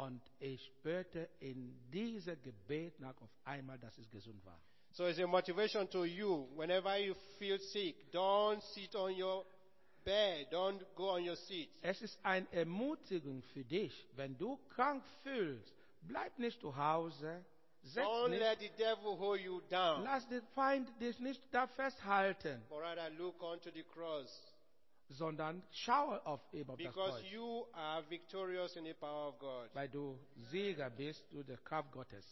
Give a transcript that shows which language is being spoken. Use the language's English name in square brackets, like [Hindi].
[German] Und ich spürte in diesem Gebet nach auf einmal, dass es gesund war. [English] So it's a motivation to you, whenever you feel sick, don't sit on your bed, don't go on your seat. [German] Es ist eine Ermutigung für dich, wenn du krank fühlst, bleib nicht zu Hause, setz nicht. [English] Don't let the devil hold you down. [German] Lass dich find dich nicht da festhalten. [English] But rather look onto the cross. [German] Sondern schaue auf das Kreuz. [English] Because you are victorious in the power of God. [German] Weil du Sieger bist durch die Kraft Gottes.